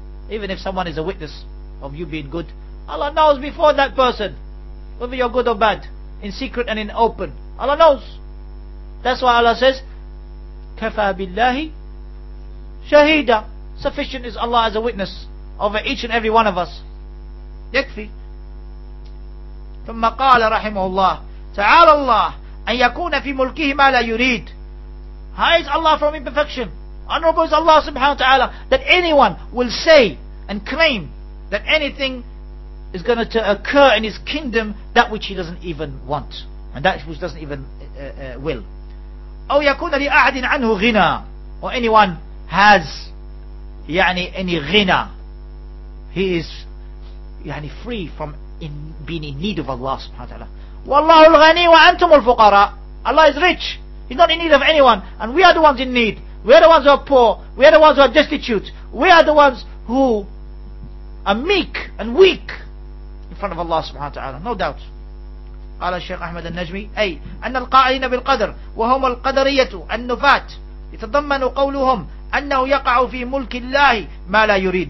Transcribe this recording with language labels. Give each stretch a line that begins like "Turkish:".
English: Even if someone is a witness of you being good, Allah knows before that person whether you're good or bad, in secret and in open. Allah knows. That's why Allah says,
Arabic: كَفَى بِاللَّهِ شَهِيدًا.
English: Sufficient is Allah as a witness over each and every one of us.
Arabic: يكفي. ثم قال رحمه الله تعالى الله أن يكون في ملكه ما لا يريد.
English: Hides Allah from imperfection. Honorable is Allah subhanahu wa ta'ala that anyone will say and claim that anything is going to occur in his kingdom that which he doesn't even want and that which doesn't even will.
Arabic: أو يكون لأحد عنه غنى.
English: Or anyone has يعني any غنى. He is يعني free from being in need of Allah subhanahu wa ta'ala.
Arabic: والله الغني وأنتم الفقراء.
English: Allah is rich. He's not in need of anyone. And we are the ones in need. We are the ones who are poor. We are the ones who are destitute. We are the ones who are meek and weak in front of Allah subhanahu wa ta'ala. No doubt.
Arabic: قال الشيخ أحمد النجمي أي أن القائلين بالقدر وهم القدرية النفاة يتضمن قولهم أنه يقع في ملك الله ما لا يريد.